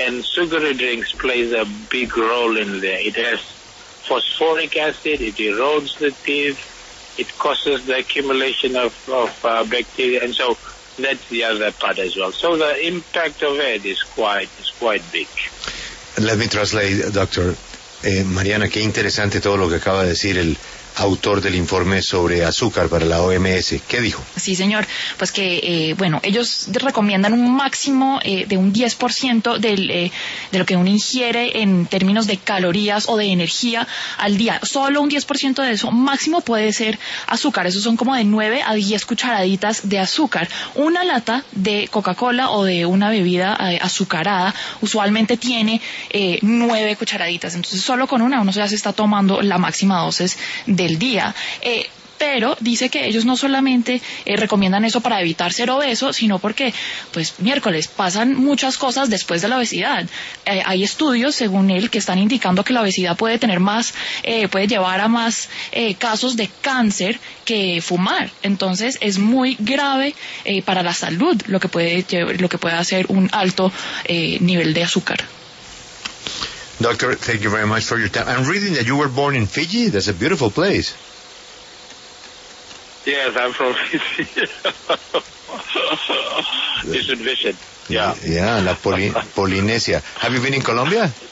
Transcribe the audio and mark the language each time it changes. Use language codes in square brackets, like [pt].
[en] And sugary drinks plays a big role in there. It has phosphoric acid, it erodes the teeth, it causes the accumulation of bacteria, and so that's the other part as well. So the impact of it is quite big. Let me translate, Dr. [es] Mariana, qué interesante todo lo que acaba de decir el autor del informe sobre azúcar para la OMS. ¿Qué dijo? Sí, señor. Pues que, bueno, ellos recomiendan un máximo de un 10% de lo que uno ingiere en términos de calorías o de energía al día. Solo un 10% de eso máximo puede ser azúcar. Eso son como de 9 a 10 cucharaditas de azúcar. Una lata de Coca-Cola o de una bebida azucarada usualmente tiene 9 cucharaditas. Entonces, solo con una uno ya se está tomando la máxima dosis del día, pero dice que ellos no solamente recomiendan eso para evitar ser obeso, sino porque, pues, miércoles, pasan muchas cosas después de la obesidad. Hay estudios, según él, que están indicando que la obesidad puede tener más, puede llevar a más casos de cáncer que fumar. Entonces, es muy grave para la salud lo que puede hacer un alto nivel de azúcar. [en] Doctor, thank you very much for your time. I'm reading that you were born in Fiji. That's a beautiful place. Yes, I'm from Fiji. You should visit. Yeah. Yeah, La Polynesia. Have you been in Colombia?